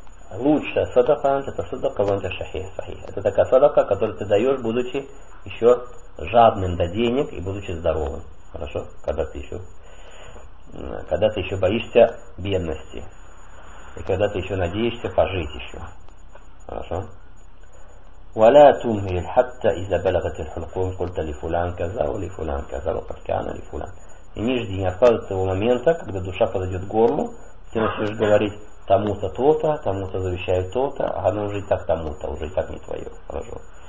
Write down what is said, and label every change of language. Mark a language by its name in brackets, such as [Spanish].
[Russian] Лучшая садака, это садака ванта шахи. Это такая садака, которую ты даешь, будучи еще жадным до денег и будучи здоровым. Хорошо? Когда ты еще боишься бедности. И когда ты еще надеешься пожить еще. Хорошо? [Arabic] ولا تمهل حتى إذا بلغت الحلقوم قلت لفلان كذا ولفلان كذا وقد كان لفلان. [Russian] И не жди, не откладывай того момента, когда душа подойдет к горлу, ты начнешь говорить тому-то то-то, тому-то завещаю то-то, а оно уже и так тому-то, уже и так не твое. Хорошо.